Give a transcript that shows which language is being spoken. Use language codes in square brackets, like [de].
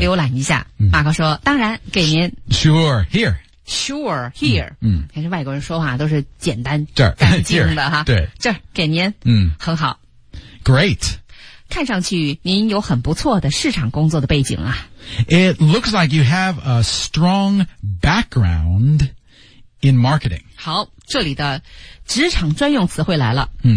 [zh] 浏览一下。马克说，当然给您。 [en] Sure, here. Sure, here. [zh] 还是外国人说话都是简单。这儿。干净的哈。对。这儿给您。很好。 [en] Great. [zh] 看上去您有很不错的市场工作的背景啊。 [en] It looks like you have a strong background in marketing. [zh] 好，这里的职场专用词汇来了。